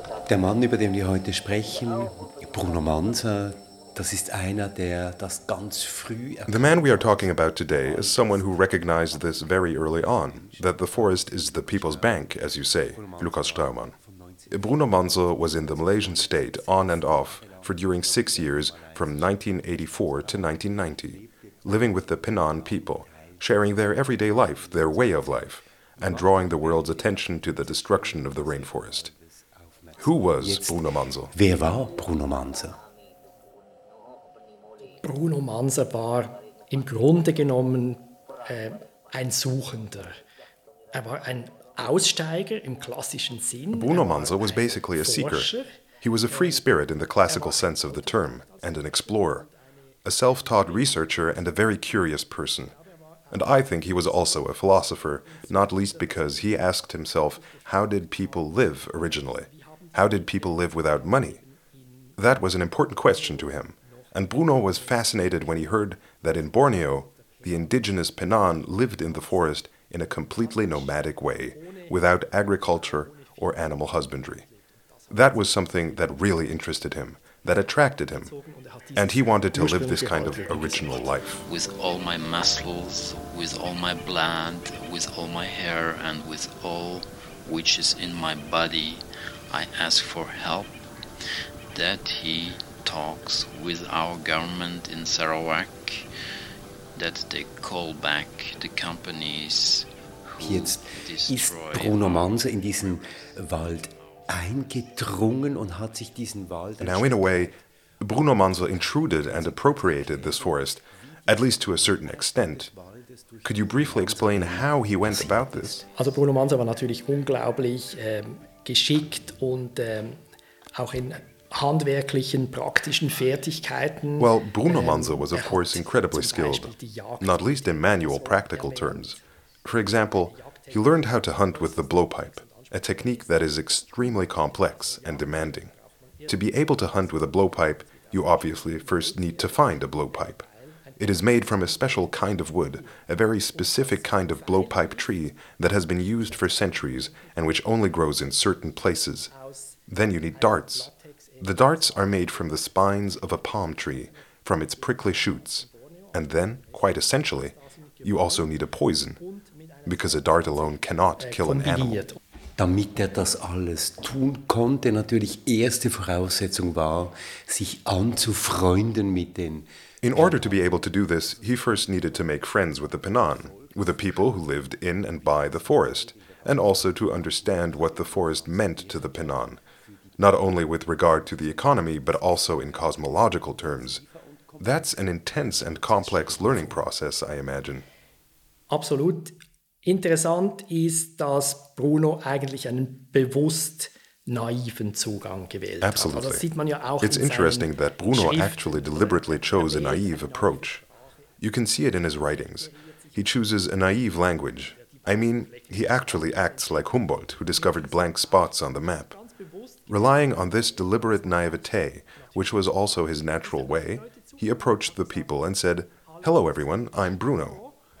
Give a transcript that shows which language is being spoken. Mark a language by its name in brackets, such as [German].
[German] Der Mann, über den wir heute sprechen, Bruno Mansel, das ist einer, der das ganz früh erkannt. [English] The man we are talking about today is someone who recognized this very early on, that the forest is the people's bank, as you say, Lukas Straumann. Bruno Mansel was in the Malaysian state on and off for during 6 years from 1984 to 1990, living with the Penan people, sharing their everyday life, their way of life, and drawing the world's attention to the destruction of the rainforest. Who was Bruno Manzer? [German] Wer war Bruno Manzer? Bruno Manzer war im Grunde genommen ein Suchender. Er war ein Aussteiger im klassischen Sinn. [English] Bruno Manzer was basically a seeker. He was a free spirit in the classical sense of the term, and an explorer, a self-taught researcher and a very curious person. And I think he was also a philosopher, not least because he asked himself, how did people live originally? How did people live without money? That was an important question to him. And Bruno was fascinated when he heard that in Borneo, the indigenous Penan lived in the forest in a completely nomadic way, without agriculture or animal husbandry. That was something that really interested him, that attracted him, and he wanted to live this kind of original life. With all my muscles, with all my blood, with all my hair, and with all which is in my body, I ask for help, that he talks with our government in Sarawak, that they call back the companies who destroy. [German] Bruno Manzer in diesen Wald eingedrungen und hat sich diesen Wald. [English] Now, in a way, Bruno Manzer intruded and appropriated this forest, at least to a certain extent. Could you briefly explain how he went about this? [German] Also Bruno Manzer war natürlich unglaublich geschickt und auch in handwerklichen, praktischen Fertigkeiten. [English] Well, Bruno Manzer was of course incredibly skilled, not least in manual practical terms. For example, he learned how to hunt with the blowpipe, a technique that is extremely complex and demanding. To be able to hunt with a blowpipe, you obviously first need to find a blowpipe. It is made from a special kind of wood, a very specific kind of blowpipe tree that has been used for centuries and which only grows in certain places. Then you need darts. The darts are made from the spines of a palm tree, from its prickly shoots. And then, quite essentially, you also need a poison, because a dart alone cannot kill an animal. [German] Damit er das alles tun konnte, natürlich erste Voraussetzung war, sich anzufreunden mit den. [English] In order to be able to do this, he first needed to make friends with the Penan, with the people who lived in and by the forest, and also to understand what the forest meant to the Penan, not only with regard to the economy, but also in cosmological terms. That's an intense and complex learning process, I imagine. [German] Absolut. Interessant ist, dass Bruno eigentlich einen bewusst naiven Zugang gewählt hat. [English] Absolutely. [German] Das sieht man ja auch. [English] It's interesting that Bruno actually deliberately chose a naive approach. You can see it in his writings. He chooses a naive language. I mean, he actually acts like Humboldt, who discovered blank spots on the map. Relying on this deliberate naivete, which was also his natural way, he approached the people and said, "Hello everyone, I'm Bruno."